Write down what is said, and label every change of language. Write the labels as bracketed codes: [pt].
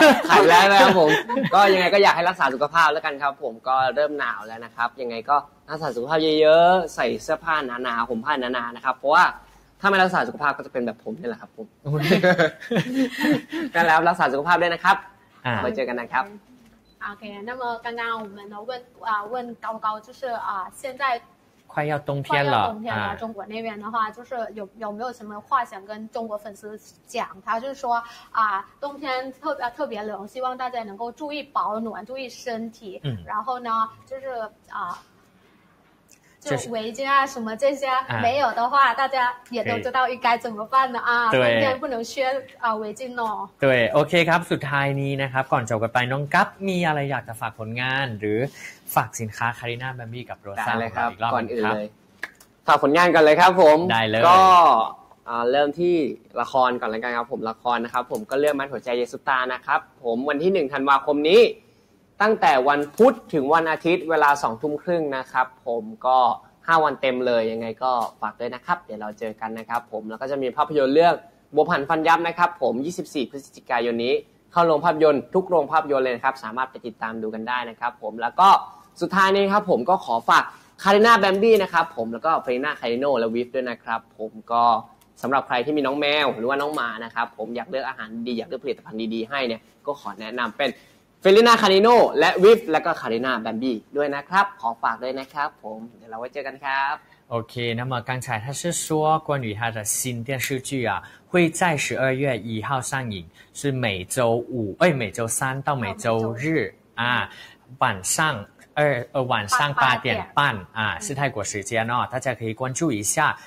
[th] ขายแล้วนะครับผมก็ยังไงก็อยากให้รักษาสุขภาพแล้วกันครับผมก็เริ่มหนาวแล้วนะครับยังไงก็รักษาสุขภาพเยอะๆใส่เสื้อผ้าหนาๆห่มผ้าหนาๆนะครับเพราะว่าถ้าไม่รักษาสุขภาพก็จะเป็นแบบผมนี่แหละครับผมก็แล้วรักษาสุขภาพด้วยนะครับมาเจอกันนะครับ [zh] OK 那么刚刚我们问高高就是现在快要冬天了，快要冬天了。中国那边的话，就是有没有什么话想跟中国粉丝讲？他就说冬天特别冷，希望大家能够注意保暖，注意身体。然后呢，就是就是围巾啊什么这些没有的话、大家也都知道应该怎么办的啊，对，今天不能缺啊围巾哦。对 [th] ，OK ครับสุดท้ายนี้นะครับก่อนจบกันไปน้องกั๊บมีอะไรอยากจะฝากผลงานหรือฝากสินค้าคาริน่าแบมบี้กับโรซ่า อีกรอบก่อนอื่นเลยฝากผลงานกันเลยครับผม ได้เลย ก็เริ่มที่ละครก่อนแล้วกันครับผมละครนะครับผมก็เรื่องมัดหัวใจเยซูตานะครับผมวันที่1ธันวาคมนี้ตั้งแต่วันพุธถึงวันอาทิตย์เวลา 2:30 นนะครับผมก็5วันเต็มเลยยังไงก็ฝากด้วยนะครับเดี๋ยวเราเจอกันนะครับผมแล้วก็จะมีภาพยนตร์เรื่อง บัวผันฟันยับนะครับผม24พฤศจิกายนนี้เข้าโรงภาพยนตร์ทุกโรงภาพยนตร์เลยนะครับสามารถไปติดตามดูกันได้นะครับผมแล้วก็สุดท้ายนี้ครับผมก็ขอฝากคาริน่าแบมบี้นะครับผมแล้วก็เฟรน่าคาริโนและวิฟด้วยนะครับผมก็ สำหรับใครที่มีน้องแมวหรือว่าน้องหมานะครับผมอยากเลือกอาหารดีอยากเลือกผลิตภัณฑ์ดีๆให้เนี่ยก็ขอแนะนำเป็นเฟลิน่าคาริโนและวิฟแล้วก็คาริน่าแบมบี้ด้วยนะครับขอฝากด้วยนะครับผมเดี๋ยวเราไว้เจอกันครับ โอเคนะ [zh] 那么刚才他是说关于他的新电视剧啊会在12月1号上映是每周五哎每周三到每周日啊晚上晚上八点半啊，是泰国时间哦，大家可以关注一下。